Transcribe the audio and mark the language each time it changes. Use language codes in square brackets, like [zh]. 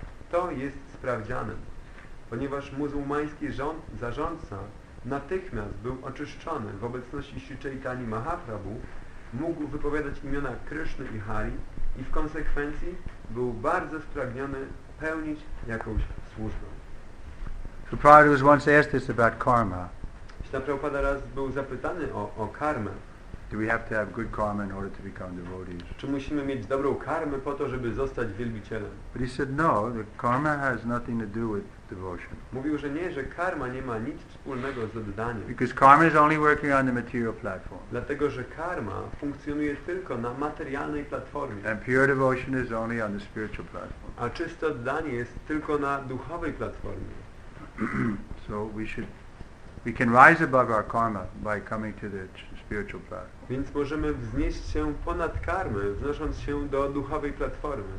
[pl] To jest sprawdzianem, ponieważ muzułmański zarządca natychmiast był oczyszczony w obecności Sri Chaitany Mahaprabhu, mógł wypowiadać imiona Kryszny i Hari i w konsekwencji był bardzo spragniony pełnić jakąś służbę. [en] So Prabhupada was once asked this about karma. [pl] Na Prabhupada raz był zapytany o karmę. [en] Do we have to have good karma in order to become devotees? [pl] Czy musimy mieć dobrą karmę po to, żeby zostać wielbicielem? [en] But he said no, the karma has nothing to do with devotion. [pl] Mówił, że nie, że karma nie ma nic wspólnego z oddaniem. [en] Because karma is only working on the material platform. [pl] Dlatego, że karma funkcjonuje tylko na materialnej platformie. [en] And pure devotion is only on the spiritual platform. [pl] A czyste oddanie jest tylko na duchowej platformie. [en] So we should. We can rise above our karma by coming to the spiritual platform. [pl] Więc możemy wznieść się ponad karmę, wznosząc się do duchowej platformy.